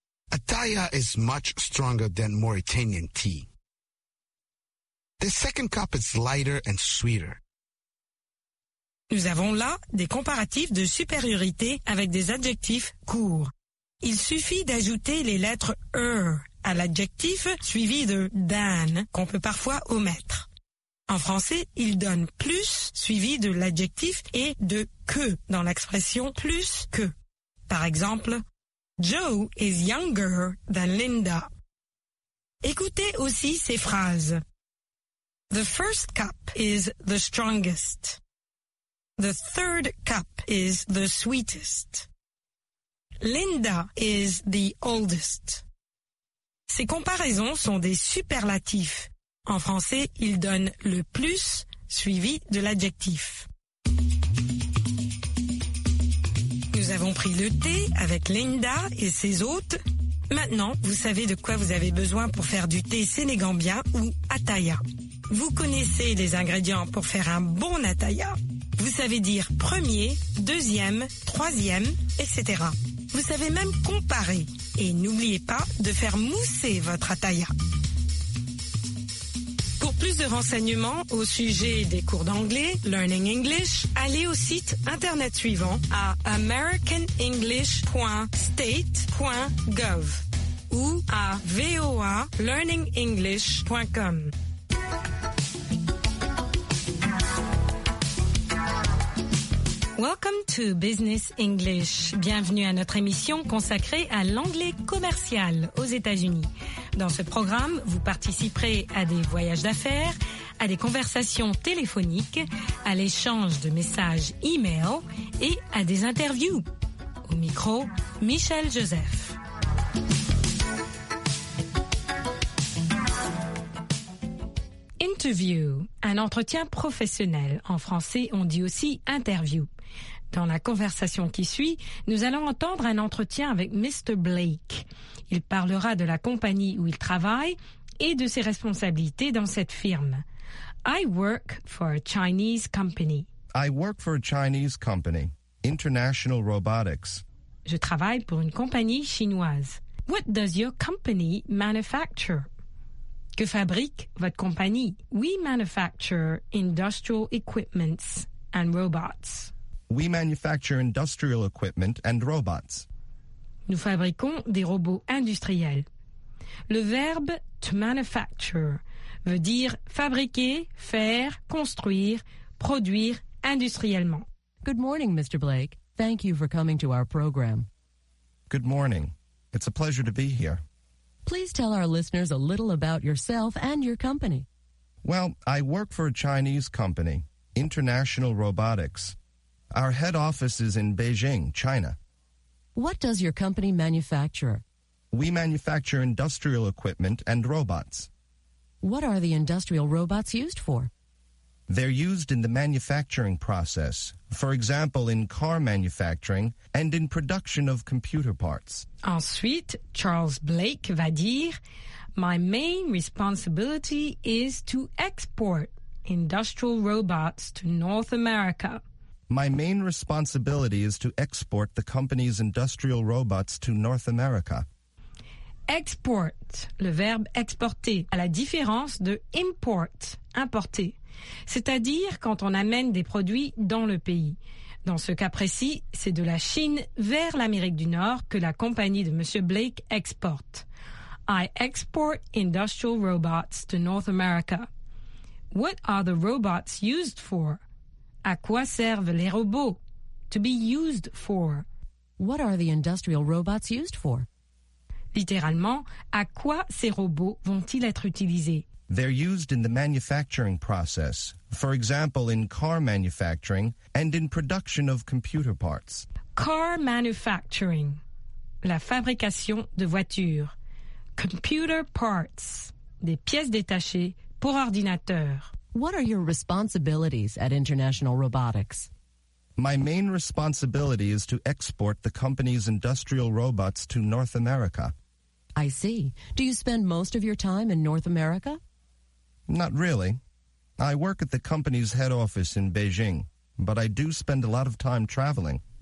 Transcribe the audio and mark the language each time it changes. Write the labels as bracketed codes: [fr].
[en] Attaya is much stronger than Mauritanian tea. The second cup is lighter and sweeter. [fr] Nous avons là des comparatifs de supériorité avec des adjectifs courts. Il suffit d'ajouter les lettres er à l'adjectif suivi de than qu'on peut parfois omettre. En français, il donne plus suivi de l'adjectif et de que dans l'expression plus que. Par exemple, [en] Joe is younger than Linda. [fr] Écoutez aussi ces phrases. [en] The first cup is the strongest. The third cup is the sweetest. Linda is the oldest. [fr] Ces comparaisons sont des superlatifs. En français, il donne le plus suivi de l'adjectif. Nous avons pris le thé avec Linda et ses hôtes. Maintenant, vous savez de quoi vous avez besoin pour faire du thé sénégambien ou ataya. Vous connaissez les ingrédients pour faire un bon ataya. Vous savez dire premier, deuxième, troisième, etc. Vous savez même comparer. Et n'oubliez pas de faire mousser votre ataya. Plus de renseignements au sujet des cours d'anglais, Learning English, allez au site internet suivant à americanenglish.state.gov ou à voalearningenglish.com. [en] Welcome to Business English. [fr] Bienvenue à notre émission consacrée à l'anglais commercial aux États-Unis. Dans ce programme, vous participerez à des voyages d'affaires, à des conversations téléphoniques, à l'échange de messages e-mail et à des interviews. Au micro, Michel Joseph. Interview, un entretien professionnel. En français, on dit aussi interview. Dans la conversation qui suit, nous allons entendre un entretien avec Mr. Blake. Il parlera de la compagnie où il travaille et de ses responsabilités dans cette firme. [en] I work for a Chinese company. I work for a Chinese company, International Robotics. [fr] Je travaille pour une compagnie chinoise. [en] What does your company manufacture? [fr] Que fabrique votre compagnie? [en] We manufacture industrial equipments and robots. We manufacture industrial equipment and robots. [fr] Nous fabriquons des robots industriels. Le verbe to manufacture veut dire fabriquer, faire, construire, produire industriellement. [en] Good morning, Mr. Blake. Thank you for coming to our program. Good morning. It's a pleasure to be here. Please tell our listeners a little about yourself and your company. Well, I work for a Chinese company, International Robotics. Our head office is in Beijing, China. What does your company manufacture? We manufacture industrial equipment and robots. What are the industrial robots used for? They're used in the manufacturing process, for example, in car manufacturing and in production of computer parts. [fr] Ensuite, Charles Blake va dire, [en] My main responsibility is to export industrial robots to North America. My main responsibility is to export the company's industrial robots to North America. [fr] Export, le verbe exporter, à la différence de import, importer. C'est-à-dire quand on amène des produits dans le pays. Dans ce cas précis, c'est de la Chine vers l'Amérique du Nord que la compagnie de M. Blake exporte. [en] I export industrial robots to North America. What are the robots used for? [fr] À quoi servent les robots? [en] To be used for. What are the industrial robots used for? [fr] Littéralement, à quoi ces robots vont-ils être utilisés? [en] They're used in the manufacturing process. For example, in car manufacturing and in production of computer parts. Car manufacturing. [fr] La fabrication de voitures. [en] Computer parts. [fr] Des pièces détachées pour ordinateur. [en] What are your responsibilities at International Robotics? My main responsibility is to export the company's industrial robots to North America. I see. Do you spend most of your time in North America? Not really. I work at the company's head office in Beijing, but I do spend a lot of time traveling.